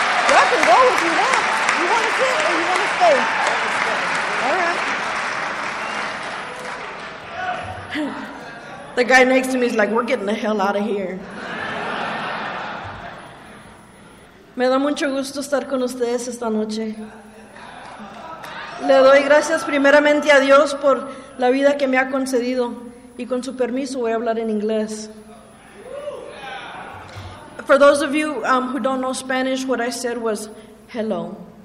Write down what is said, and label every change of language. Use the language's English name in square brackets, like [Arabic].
[English] Y'all can go if you want. You want to sit or you want to stay? All right. The guy next to me is like, we're getting the hell out of here. [Spanish] Me da mucho gusto estar con ustedes esta noche. Le doy gracias primeramente a Dios por la vida que me ha concedido. Y con su permiso voy a hablar en inglés. [English] For those of you who don't know Spanish, what I said was, hello.